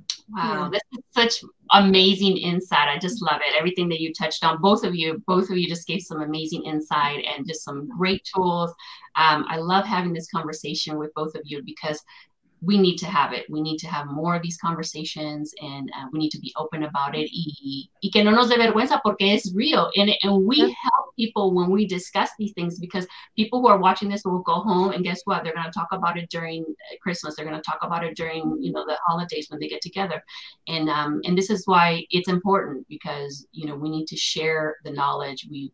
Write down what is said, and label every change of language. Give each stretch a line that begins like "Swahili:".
English: Wow, this is such amazing insight. I just love it. Everything that you touched on, both of you just gave some amazing insight and just some great tools. I love having this conversation with both of you, because we need to have it. We need to have more of these conversations, and we need to be open about it.
Spanish: Y que no nos dé vergüenza, porque es real.
English: And we help people when we discuss these things, because people who are watching this will go home, and guess what? They're going to talk about it during Christmas. They're going to talk about it during, you know, the holidays when they get together. And this is why it's important, because, you know, we need to share the knowledge.